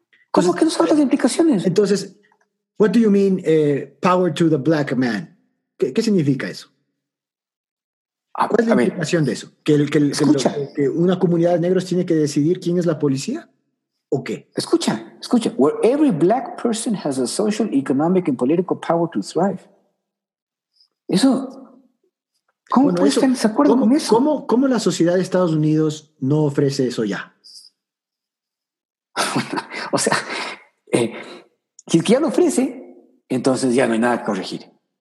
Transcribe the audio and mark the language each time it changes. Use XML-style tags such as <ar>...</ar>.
<es>¿Cómo entonces, que no sabes las implicaciones?</es> <en>Entonces, what do you mean power to the black man?</en> <es>¿Qué significa eso? ¿Cuál es la implicación de eso? ¿Que una comunidad de negros tiene que decidir quién es la policía? ¿O qué? Escucha.</es> <en>Where every black person has a social, economic and political power to thrive.</en> <es>Eso, ¿cómo puede estar en desacuerdo con eso? ¿Cómo la sociedad de Estados Unidos no ofrece eso ya? O sea, si es que ya lo ofrece, entonces ya no hay nada que corregir.</es>